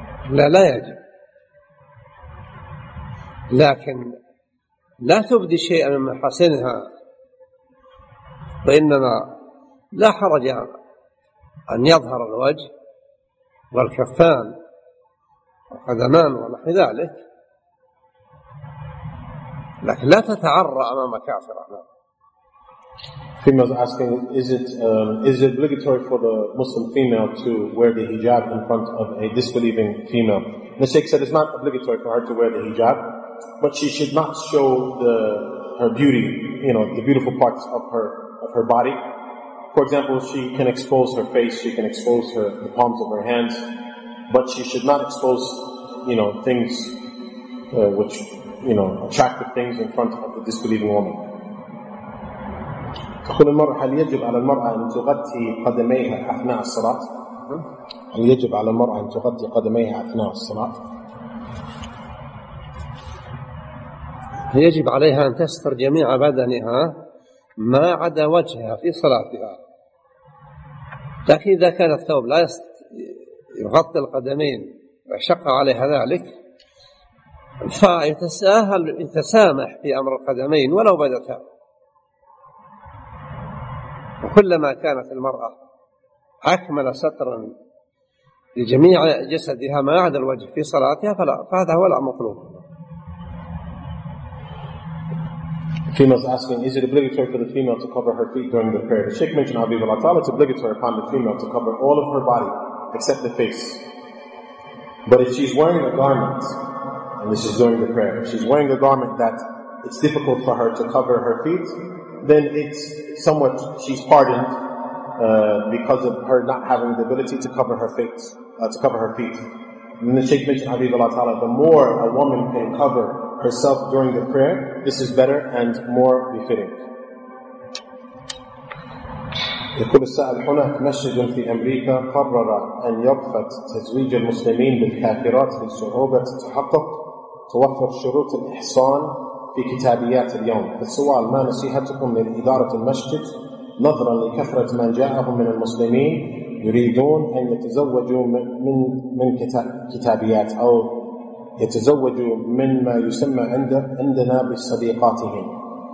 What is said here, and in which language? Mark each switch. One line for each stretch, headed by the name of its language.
Arabic: لا يجب، لكن لا تبدي شيئا من محاسنها، وإنما لا حرج أن يظهر الوجه والكفان والقدمان ونحو ذلك، لكن لا تتعرى أمام كافرة.
English: Females asking, is it obligatory for the Muslim female to wear the hijab in front of a disbelieving female? The Sheikh said it's not obligatory for her to wear the hijab, but she should not show her beauty, you know, the beautiful parts of her body. For example, she can expose her face, she can expose the palms of her hands, but she should not expose, you know, things which, you know, attractive things in front of the disbelieving woman.
Arabic: تقول المرأة هل يجب على المرأة أن تغطي قدميها أثناء الصلاة؟ هل يجب على المرأة أن تغطي قدميها أثناء الصلاة؟ يجب عليها أن تستر جميع بدنها ما عدا وجهها في صلاتها، لكن إذا كان الثوب لا يغطي القدمين وشق عليها ذلك فيتساهل يتسامح في أمر القدمين ولو بدتا. وكلما كانت المرأة أكمل سترا لجميع جسدها ما عدا الوجه في صلاتها فهذا هو المطلوب.
English: Females asking, is it obligatory for the female to cover her feet during the prayer? The Sheikh mentioned, Habibullah Ta'ala, it's obligatory upon the female to cover all of her body except the face. But if she's wearing a garment, and this is during the prayer, if she's wearing a garment that it's difficult for her to cover her feet, then it's somewhat, she's pardoned because of her not having the ability to cover her feet. And the Sheikh mentioned, Habibullah Ta'ala, the more a woman can cover herself during the prayer, this is better and more befitting.
Arabic: يقول السائل: هناك مسجد في أمريكا قرر أن يرفض تزويج المسلمين بالكافرات بصعوبة تحقق توفر شروط الإحصان في كتابيات اليوم. السؤال: ما نصيحتكم لإدارة المسجد نظرا لكثرة من جاءهم من المسلمين يريدون أن يتزوجوا من كتابيات أو يتزوجوا من ما يسمى عندنا بصديقاتهم؟